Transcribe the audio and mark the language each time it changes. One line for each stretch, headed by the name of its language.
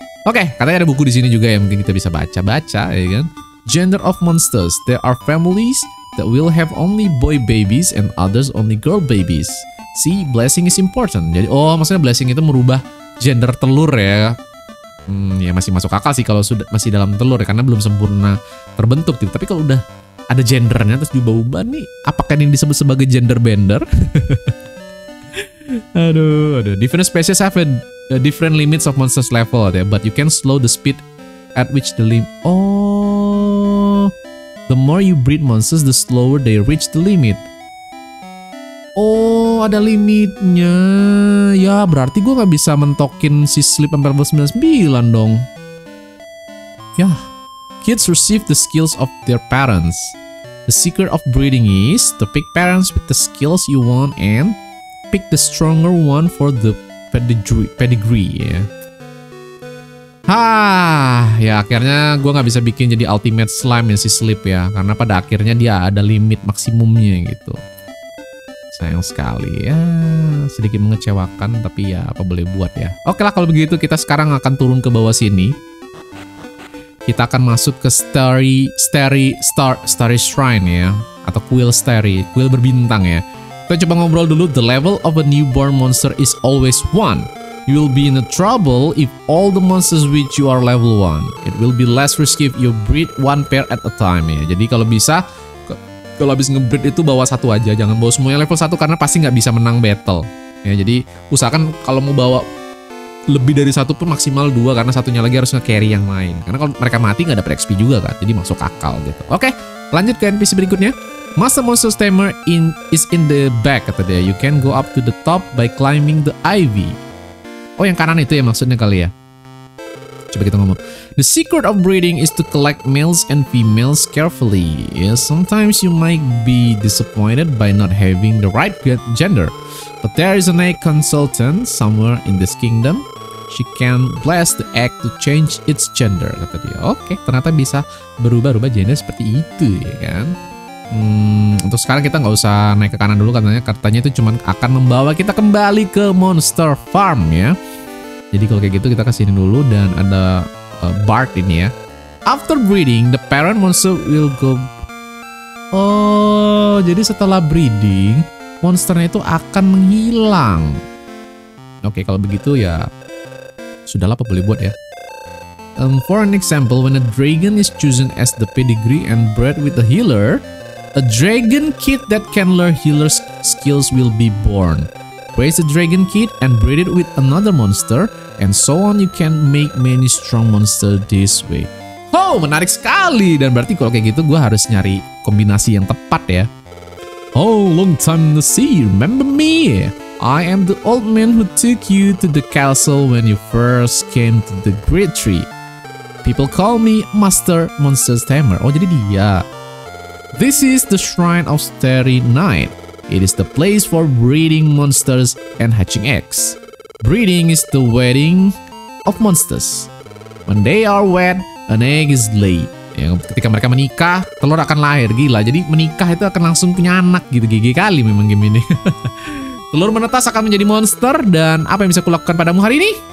Indonesian: Oke, katanya ada buku di sini juga ya, mungkin kita bisa baca-baca, ya kan?
English: Gender of monsters. There are families that will have only boy babies and others only girl babies. See, blessing is important.
Indonesian: Jadi, oh, maksudnya blessing itu merubah gender telur ya? Ya masih masuk akal sih kalau sudah masih dalam telur ya, karena belum sempurna terbentuk. Gitu. Tapi kalau udah ada gendernya terus diubah-ubah nih, apakah ini disebut sebagai gender bender? Aduh.
English: Different species have a different limits of monsters level, yeah, but you can slow the speed at which the limit. Oh, the more you breed monsters, the slower they reach the limit.
Indonesian: Oh, ada limitnya. Ya, berarti gue gak bisa mentokin si Sleep sampai level 99 dong. Yeah.
English: Kids receive the skills of their parents. The secret of breeding is to pick parents with the skills you want and pick the stronger one for the pedigree ya. Yeah.
Indonesian: Ya akhirnya gue nggak bisa bikin jadi ultimate slime yang si Sleep ya, karena pada akhirnya dia ada limit maksimumnya gitu. Sayang sekali ya, sedikit mengecewakan, tapi ya apa boleh buat ya. Oke lah kalau begitu, kita sekarang akan turun ke bawah sini. Kita akan masuk ke starry shrine ya, atau kuil starry, kuil berbintang ya. Kita coba ngobrol dulu.
English: The level of a newborn monster is always 1. You will be in a trouble if all the monsters which you are level 1. It will be less risky if you breed one pair at a time ya.
Indonesian: Jadi kalau bisa, kalau habis nge-breed itu bawa satu aja, jangan bawa semuanya level 1 karena pasti nggak bisa menang battle ya. Jadi usahakan kalau mau bawa lebih dari satu pun maksimal 2, karena satunya lagi harus nge-carry yang lain, karena kalau mereka mati nggak dapet XP juga kan, jadi masuk akal gitu. Oke, lanjut ke NPC berikutnya.
English: Master Monster Tamer is in the back,
Indonesian: kata dia.
English: You can go up to the top by climbing the ivy.
Indonesian: Oh, yang kanan itu ya maksudnya kali ya. Coba kita ngomong.
English: The secret of breeding is to collect males and females carefully. Yeah, sometimes you might be disappointed by not having the right gender. But there is an egg consultant somewhere in this kingdom. She can bless the egg to change its gender,
Indonesian: kata dia. Oke, ternyata bisa berubah-ubah gender seperti itu ya kan. Untuk sekarang kita nggak usah naik ke kanan dulu, katanya itu cuma akan membawa kita kembali ke Monster Farm ya. Jadi kalau kayak gitu kita kesini dulu, dan ada Bart ini ya.
English: After breeding, the parent monster will go.
Indonesian: Oh, jadi setelah breeding, monsternya itu akan menghilang. Oke, kalau begitu ya sudahlah, apa boleh buat ya.
English: For an example, when a dragon is chosen as the pedigree and bred with a healer, a dragon kid that can learn healer's skills will be born. Raise a dragon kid and breed it with another monster, and so on. You can make many strong monster this way.
Indonesian: Oh, menarik sekali. Dan berarti kalau kayak gitu, gue harus nyari kombinasi yang tepat ya.
English: Oh, long time no see. Remember me? I am the old man who took you to the castle when you first came to the great tree. People call me Master Monster Tamer.
Indonesian: Oh, jadi dia.
English: This is the Shrine of Starry Night. It is the place for breeding monsters and hatching eggs. Breeding is the wedding of monsters. When they are wed, an egg is laid.
Indonesian: Ya, ketika mereka menikah, telur akan lahir. Gila, jadi menikah itu akan langsung punya anak gitu. Gigi kali memang game ini. Telur menetas akan menjadi monster. Dan apa yang bisa kulakukan padamu hari ini?